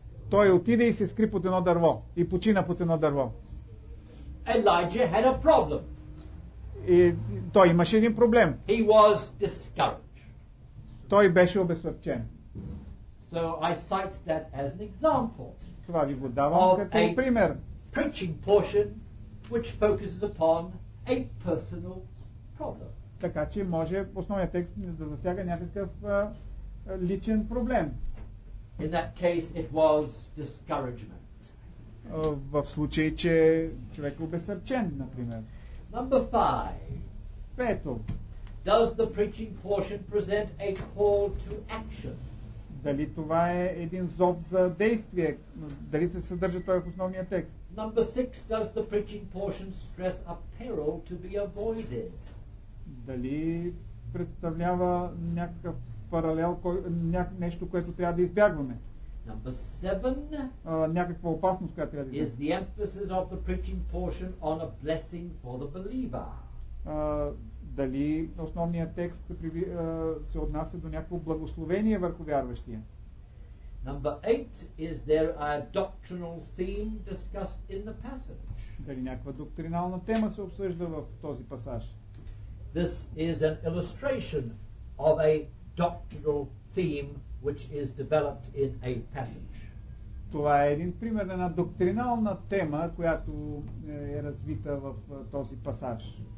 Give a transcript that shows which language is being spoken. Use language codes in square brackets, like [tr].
[bg] Той отиде и се скри под едно дърво и почина под едно дърво. [en] Elijah had a problem. [bg] И той имаше един проблем. [en] He was discouraged. [bg] Той беше обезсърчен. [en] So I cite that as an example. [bg] Това ви го давам като пример. [en] Preaching portion which focuses upon a personal problem. [bg] Така че може основният текст да засяга някакъв личен проблем. [en] In that case, it was discouragement. [bg] В случай, че човек е обезсърчен, например. [en] Number five. [bg] Пето. [en] Does the preaching portion present a call to action? [bg] Дали това е един зов за действие? Дали се съдържа това в основния текст? [en] Number six. Does the preaching portion stress a peril to be avoided? [bg] Дали представлява някакъв паралел, нещо, което трябва да избягваме. [en] Number seven, [bg] някаква опасност, която трябва да избягваме. [en] Is the emphasis of the preaching portion on a blessing for the believer? [bg] Дали основният текст се отнася до някакво благословение върху вярващия? [en] Number eight, is there a doctrinal theme discussed in the passage? [bg] Дали някаква доктринална тема се обсъжда в този пасаж? [en] This is an illustration of a doctrinal theme which is developed in a passage. [bg] Това е един пример на доктринална тема, която е развита в този пасаж.